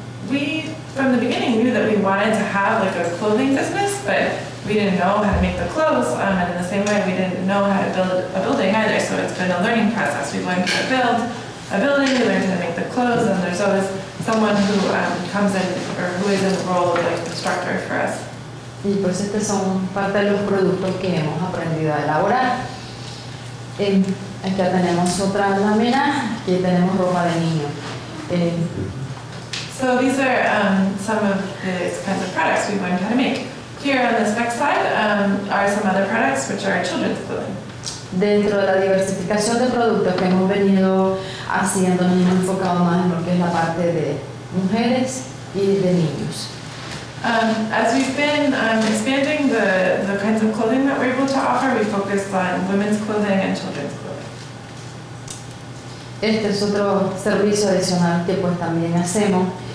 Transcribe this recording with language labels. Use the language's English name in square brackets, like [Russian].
[English] We, from the beginning, knew that we wanted to have like a clothing business, but we didn't know how to make the clothes, and in the same way, we didn't know how to build a building either, so it's been a learning process. We learned how to build a building, we learned how to make the clothes, and there's always someone who comes in, or who is in the role of like instructor for us. [Spanish] Y pues estos son parte de los productos que hemos aprendido a elaborar. Aquí tenemos otra lámina, aquí tenemos ropa de niño. [English] So these are some of the kinds of products we learned how to make. Here on this next slide are some other products which are children's clothing. [Spanish] Dentro de la diversificación de productos que hemos venido haciendo, nos hemos enfocado más en lo que es la parte de mujeres y de niños. [English] As we've been expanding the kinds of clothing that we're able to offer, we focused on women's clothing and children's clothing. [Spanish] Este es otro servicio adicional que pues también hacemos.